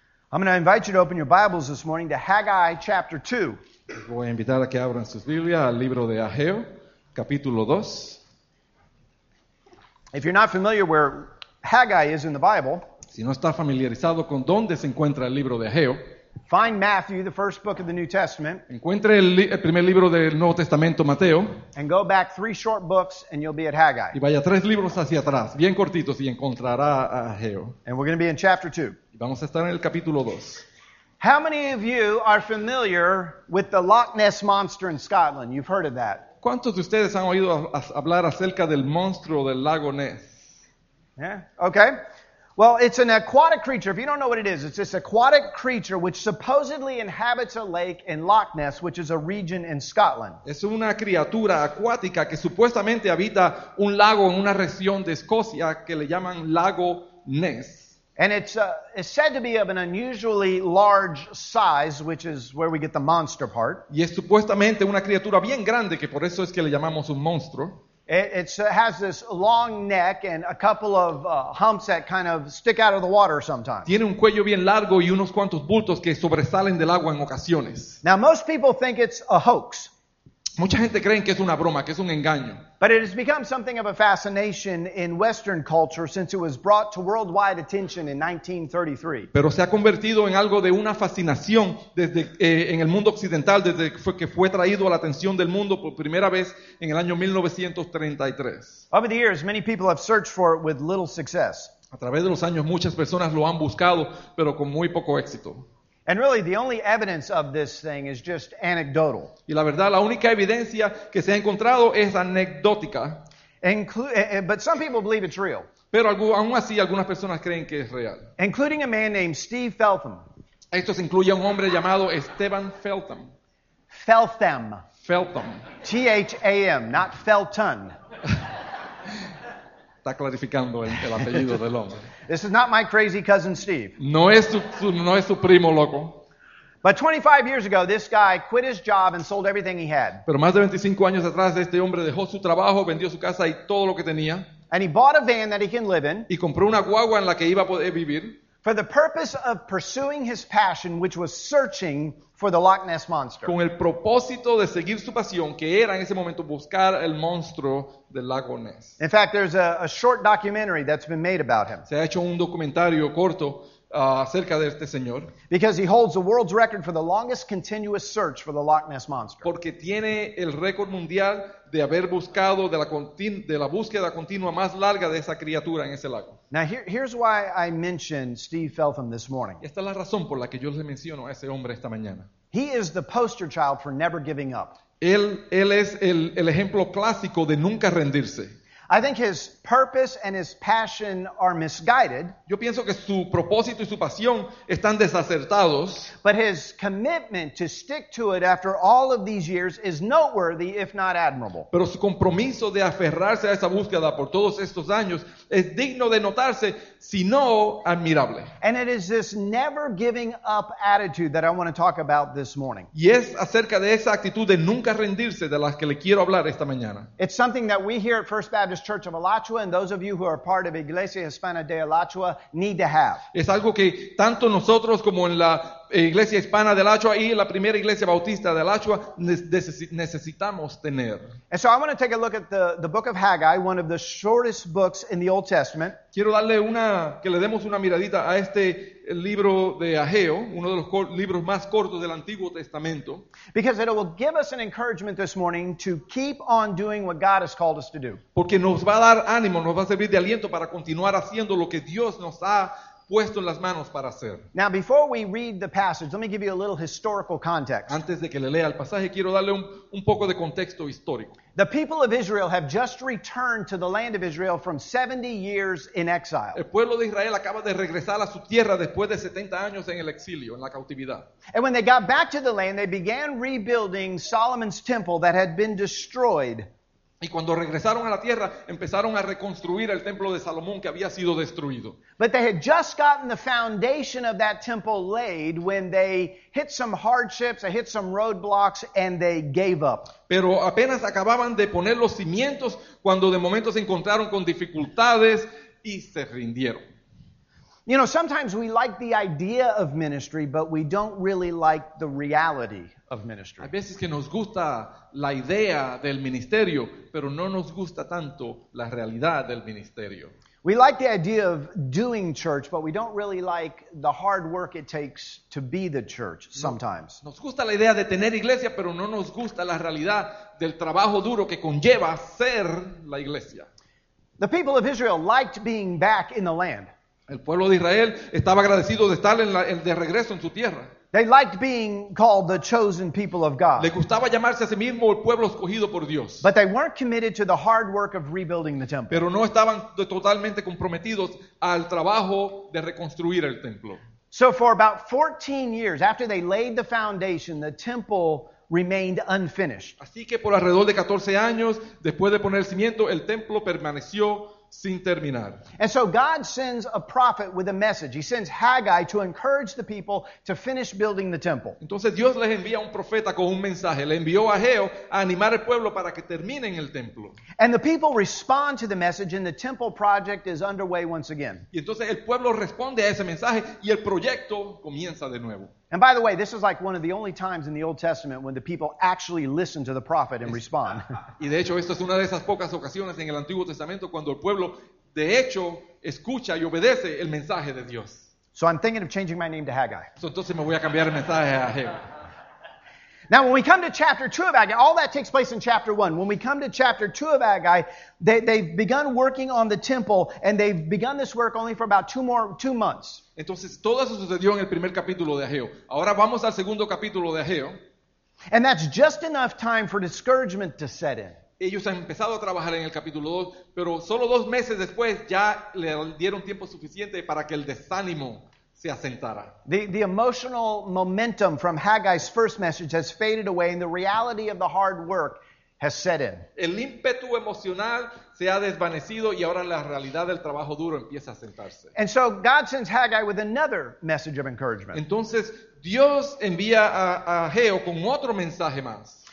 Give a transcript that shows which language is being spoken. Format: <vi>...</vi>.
<en>I'm going to invite you to open your Bibles this morning to Haggai chapter 2.</en> <es>Voy a invitar a que abran sus Biblias al libro de Ageo, capítulo 2.</es> <en>If you're not familiar where Haggai is in the Bible,</en> <es>si no está familiarizado con dónde se encuentra el libro de Ageo,</es> <en>find Matthew, the first book of the New Testament.</en> <es>Encuentre el primer libro del Nuevo Testamento, Mateo.</es> <en>And go back three short books and you'll be at Haggai.</en> <es>Y vaya tres libros hacia atrás, bien cortitos, y encontrará a Ageo.</es> <en>And we're going to be in chapter 2.</en> <es>Y vamos a estar en el capítulo 2.</es> <en>How many of you are familiar with the Loch Ness Monster in Scotland? You've heard of that.</en> <es>¿Cuántos de ustedes han oído hablar acerca del monstruo del lago Ness?</es> <en>Yeah, okay. Well, it's an aquatic creature. If you don't know what it is, it's this aquatic creature which supposedly inhabits a lake in Loch Ness, which is a region in Scotland.</en> <es>Es una criatura acuática que supuestamente habita un lago en una región de Escocia que le llaman Lago Ness.</es> <en>And it's said to be of an unusually large size, which is where we get the monster part.</en> <es>Y es supuestamente una criatura bien grande, que por eso es que le llamamos un monstruo.</es> <en>It has this long neck and a couple of humps that kind of stick out of the water sometimes.</en> <es>Tiene un cuello bien largo y unos cuantos bultos que sobresalen del agua en ocasiones.</es> <en>Now most people think it's a hoax.</en> <es>Mucha gente cree que es una broma, que es un engaño.</es> <en>But it has become something of a fascination in Western culture since it was brought to worldwide attention in 1933.</en> <es>Pero se ha convertido en algo de una fascinación desde en el mundo occidental desde que fue traído a la atención del mundo por primera vez en el año 1933.</es> <en>Over the years, many people have searched for it with little success.</en> <es>A través de los años, muchas personas lo han buscado, pero con muy poco éxito.</es> <en>And really, the only evidence of this thing is just anecdotal.</en> <es>Y la verdad, la única evidencia que se ha encontrado es anecdótica.</es> <en>But some people believe it's real.</en> <es>Pero aún así, algunas personas creen que es real.</es> <en>Including a man named Steve Feltham.</en> <es>Esto se incluye a un hombre llamado Esteban Feltham.</es> <en>Feltham.</en> <es>Feltham.</es> <en>T-H-A-M, not Felton.</en> <es>Está clarificando el apellido del hombre.</es> <en>This is not my crazy cousin Steve.</en> <es>No es su primo loco.</es> <en>But 25 years ago, this guy quit his job and sold everything he had.</en> <es>Pero más de 25 años atrás, este hombre dejó su trabajo, vendió su casa y todo lo que tenía.</es> <en>And he bought a van that he can live in.</en> <es>Y compró una guagua en la que iba a poder vivir.</es> <en>For the purpose of pursuing his passion, which was searching for the Loch Ness Monster.</en> <es>Con el propósito de seguir su pasión, que era en ese momento buscar el monstruo del lago Ness.</es> <en>In fact, there's a short documentary that's been made about him.</en> <es>Se ha hecho un documentario corto acerca de este señor.</es> <en>Because he holds the world's record for the longest continuous search for the Loch Ness Monster.</en> <es>Porque tiene el récord mundial de haber buscado de la búsqueda continua más larga de esa criatura en ese lago.</es> <en>Now here's why I mentioned Steve Feltham this morning.</en> <es>Esta es la razón por la que yo le menciono a ese hombre esta mañana.</es> <en>He is the poster child for never giving up.</en> <es>Él es el ejemplo clásico de nunca rendirse.</es> <en>I think his purpose and his passion are misguided.</en> <es>Yo pienso que su propósito y su pasión están desacertados.</es> <en>But his commitment to stick to it after all of these years is noteworthy, if not admirable.</en> <es>Pero su compromiso de aferrarse a esa búsqueda por todos estos años es digno de notarse, si no admirable.</es> <en>And it is this never giving up attitude that I want to talk about this morning.</en> <es>Y es acerca de esa actitud de nunca rendirse de las que le quiero hablar esta mañana.</es> <en>It's something that we here at First Baptist Church of Alachua and those of you who are part of Iglesia Hispana de Alachua need to have.</en> <es>Es algo que tanto nosotros como en la Iglesia Hispana de Alachua y la Primera Iglesia Bautista de Alachua necesitamos tener.</es> <en>And so I want to take a look at the book of Haggai, one of the shortest books in the Old Testament.</en> <es>Quiero darle que le demos una miradita a este libro de Ageo, uno de los libros más cortos del Antiguo Testamento.</es> <en>Because it will give us an encouragement this morning to keep on doing what God has called us to do.</en> <es>Porque nos va a dar ánimo, nos va a servir de aliento para continuar haciendo lo que Dios nos ha puesto en las manos para hacer.</es> <en>Now, before we read the passage, let me give you a little historical context.</en> <es>Antes de que le lea el pasaje, quiero darle un poco de contexto histórico.</es> <en>The people of Israel have just returned to the land of Israel from 70 years in exile.</en> <es>El pueblo de Israel acaba de regresar a su tierra después de 70 años en el exilio, en la cautividad.</es> <en>And when they got back to the land, they began rebuilding Solomon's temple that had been destroyed.</en> <es>Y cuando regresaron a la tierra, empezaron a reconstruir el templo de Salomón que había sido destruido.</es> <en>But they had just gotten the foundation of that temple laid when they hit some hardships, they hit some roadblocks, and they gave up.</en> <es>Pero apenas acababan de poner los cimientos cuando de momento se encontraron con dificultades y se rindieron.</es> <en>You know, sometimes we like the idea of ministry, but we don't really like the reality of ministry.</en> <es>A veces que nos gusta la idea del ministerio, pero no nos gusta tanto la realidad del ministerio.</es> <en>We like the idea of doing church, but we don't really like the hard work it takes to be the church sometimes.</en> <es>Nos gusta la idea de tener iglesia, pero no nos gusta la realidad del trabajo duro que conlleva ser la iglesia.</es> <en>The people of Israel liked being back in the land.</en> <es>El pueblo de Israel estaba agradecido de estar de regreso en su tierra.</es> <en>They liked being called the chosen people of God.</en> <es>Le gustaba llamarse a sí mismo el pueblo escogido por Dios.</es> <en>But they weren't committed to the hard work of rebuilding the temple.</en> <es>Pero no estaban totalmente comprometidos al trabajo de reconstruir el templo.</es> <en>So for about 14 years after they laid the foundation, the temple remained unfinished.</en> <es>Así que por alrededor de 14 años, después de poner el cimiento, el templo permaneció sin terminar.</es> <en>And so God sends a prophet with a message. He sends Haggai to encourage the people to finish building the temple.</en> <es>Entonces Dios les envía un profeta con un mensaje. Le envió a Ageo a animar al pueblo para que terminen el templo.</es> <en>And the people respond to the message and the temple project is underway once again.</en> <es>Y entonces el pueblo responde a ese mensaje y el proyecto comienza de nuevo.</es> <en>And by the way, this is like one of the only times in the Old Testament when the people actually listen to the prophet and respond.</en> <es>Y de hecho, esto es una de esas pocas ocasiones en el Antiguo Testamento cuando el pueblo de hecho escucha y obedece el mensaje de Dios.</es> <en>So I'm thinking of changing my name to Haggai.</en> <es>So entonces me voy a cambiar el mensaje a Haggai.</es> <en>Now, when we come to chapter 2 of Haggai, all that takes place in chapter 1. When we come to chapter 2 of Haggai, they've begun working on the temple, and they've begun this work only for about two months.</en> <es>Entonces, todo eso sucedió en el primer capítulo de Ageo. Ahora vamos al segundo capítulo de Ageo.</es> <en>And that's just enough time for discouragement to set in.</en> <es>Ellos han empezado a trabajar en el capítulo 2, pero solo dos meses después ya le dieron tiempo suficiente para que el desánimo se asentara.</es> <en>The emotional momentum from Haggai's first message has faded away and the reality of the hard work has set in.</en> <es>El ímpetu emocional se ha desvanecido y ahora la realidad del trabajo duro empieza a sentarse.</es> <en>And so God sends Haggai with another message of encouragement.</en> <es>Entonces Dios envía a Ageo con otro mensaje más.</es>